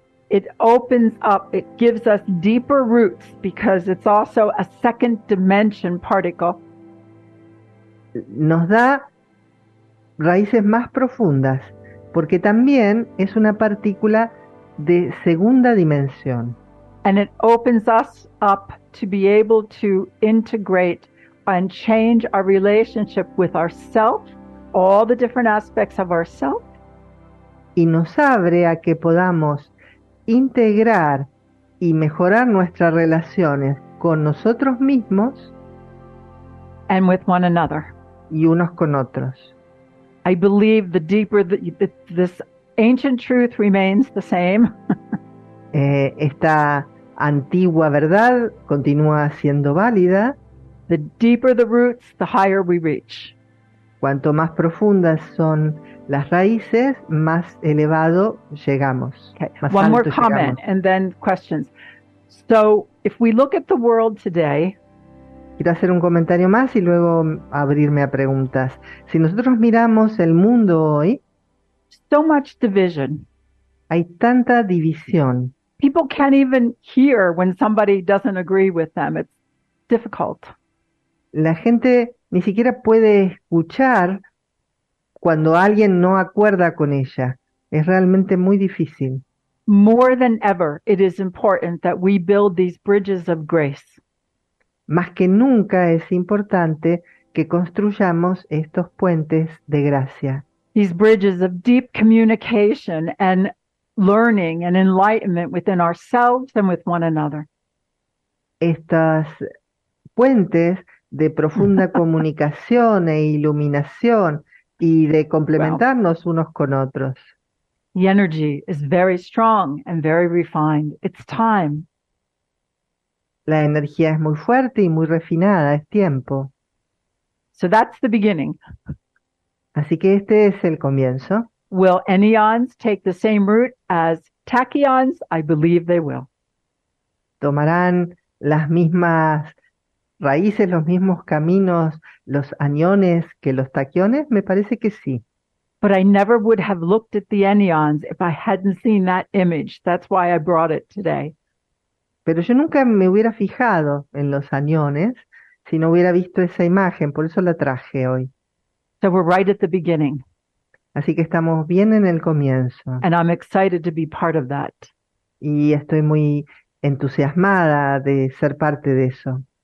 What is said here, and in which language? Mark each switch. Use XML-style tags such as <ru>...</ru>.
<en>It opens up, it gives us deeper roots because it's also a second dimension particle.</en> <es>Nos da raíces más profundas porque también es una partícula de segunda dimensión.</es> <en>And it opens us up to be able to integrate and change our relationship with ourselves, all the different aspects of ourselves.</en> <es>Y nos abre a que podamos integrar y mejorar nuestras relaciones con nosotros mismos</es> <en>and with one another.</en> <es>Y unos con otros.</es> <en>I believe the deeper this ancient truth remains the same.</en> <es>Esta antigua verdad continúa siendo válida.</es> <en>The deeper the roots, the higher we reach.</en> <es>Cuanto más profundas son las raíces, más elevado llegamos.</es> <en>Okay. One more comment and then questions. So, if we look at the world today,</en> <es>quiero hacer un comentario más y luego abrirme a preguntas. Si nosotros miramos el mundo hoy,</es> <en>so much division.</en> <es>Hay tanta división.</es> <en>People can't even hear when somebody doesn't agree with them. It's difficult.</en> <es>La gente ni siquiera puede escuchar cuando alguien no acuerda con ella. Es realmente muy difícil.</es> <en>More than ever, it is important that we build these bridges of grace.</en> <es>Más que nunca es importante que construyamos estos puentes de gracia.</es> <en>These bridges of deep communication and learning and enlightenment within ourselves and with one another.</en> <es>Estos puentes de profunda comunicación e iluminación y de complementarnos unos con otros.</es> <en>The energy is very strong and very refined. It's time.</en> <es>La energía es muy fuerte y muy refinada, es tiempo.</es> <en>So that's the beginning.</en> <es>Así que este es el comienzo.</es> <en>Will anions take the same route as tachyons? I believe they will.</en> <es>¿Tomarán las mismas raíces, los mismos caminos, los aniones que los taquiones? Me parece que sí.</es> <en>But I never would have looked at the anions if I hadn't seen that image. That's why I brought it today.</en> <es>Pero yo nunca me hubiera fijado en los aniones si no hubiera visto esa imagen, por eso la traje hoy.</es> <en>So we're right at the beginning.</en> <es>Así que estamos bien en el comienzo.</es> <en>And I'm excited to be part of that.</en> <es>Y estoy muy entusiasmada de ser parte de eso.</es>